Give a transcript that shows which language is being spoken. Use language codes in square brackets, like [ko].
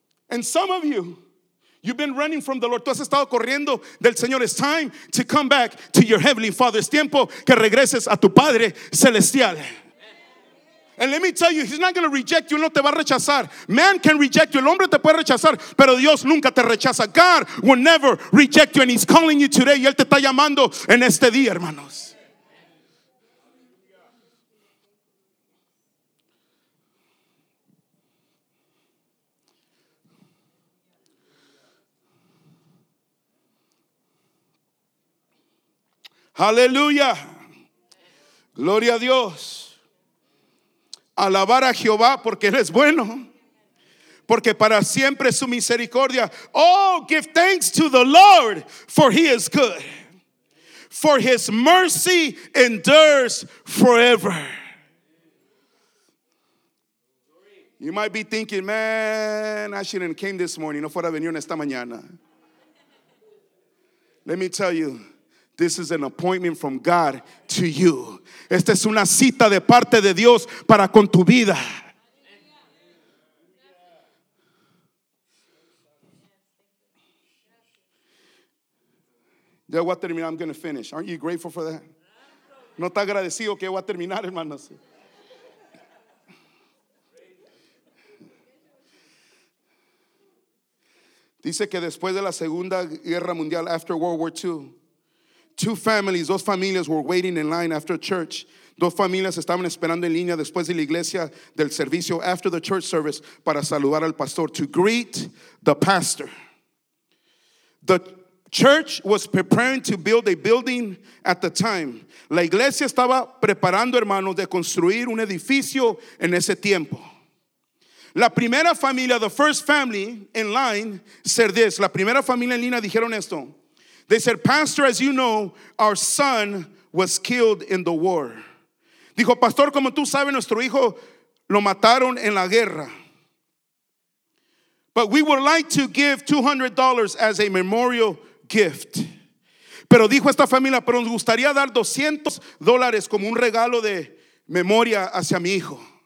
[en] And some of you, you've been running from the Lord. [es] Tú has estado corriendo del Señor. [en] It's time to come back to your heavenly Father. [es] Es tiempo que regreses a tu Padre Celestial. [en] And let me tell you, he's not going to reject you. [es] No te va a rechazar. [en] Man can reject you. [es] El hombre te puede rechazar. Pero Dios nunca te rechaza. [en] God will never reject you. And he's calling you today. [es] Y él te está llamando en este día, hermanos. Hallelujah. Gloria a Dios. Alabar a Jehová porque Él es bueno. Porque para siempre su misericordia. [en] Oh, give thanks to the Lord, for He is good. For His mercy endures forever. You might be thinking, man, I shouldn't have came this morning. [es] No fuera venir esta mañana. [en] Let me tell you, this is an appointment from God to you. [es] Esta es una cita de parte de Dios para con tu vida. Ya voy a terminar, [en] I'm going to finish. Aren't you grateful for that? [es] No está agradecido que voy a terminar, hermanos. Dice que después de la Segunda Guerra Mundial, [en] after World War II, two families, [es] dos familias [en] were waiting in line after church. [es] Dos familias estaban esperando en línea después de la iglesia del servicio, [en] after the church service, [es] para saludar al pastor, [en] to greet the pastor. The church was preparing to build a building at the time. [es] La iglesia estaba preparando, hermanos, de construir un edificio en ese tiempo. La primera familia, [en] the first family in line, said this. [es] La primera familia en línea dijeron esto. [en] They said, Pastor, as you know, our son was killed in the war. [es] Dijo, Pastor, como tú sabes, nuestro hijo lo mataron en la guerra. [en] But we would like to give $200 as a memorial gift. [es] Pero dijo esta familia, pero nos gustaría dar $200 como un regalo de memoria hacia mi hijo.